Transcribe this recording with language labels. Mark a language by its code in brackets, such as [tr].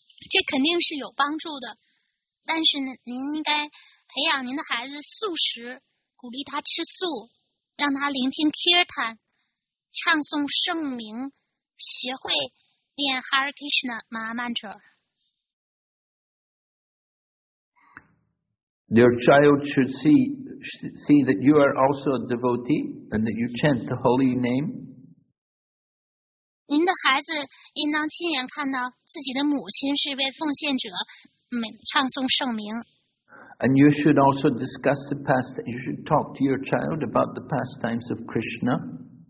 [zh] 这肯定是有帮助的，但是呢，您应该培养您的孩子素食，鼓励他吃素，让他聆听 kirtan， 唱诵圣名，学会念 Hare Krishna mantra。 [en] Your child should see that you are also a devotee and that you chant the holy name. [zh] 您的孩子应当亲眼看到自己的母亲是位奉献者，唱诵圣名。 [en] And you should also discuss the past. You should talk to your child about the pastimes of Krishna.